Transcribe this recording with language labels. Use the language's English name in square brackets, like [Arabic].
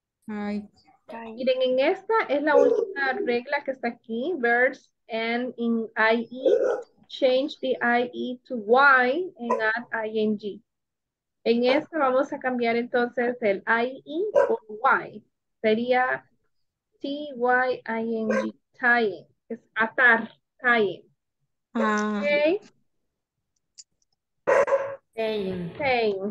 [Spanish] Miren, en esta es la última regla que está aquí. [English] Verbs and in IE. Change the IE to Y and add ING. [Spanish] En esta vamos a cambiar entonces el IE por Y. Sería T-Y-I-N-G, tying. Es atar, tying. Okay. [English] Tying.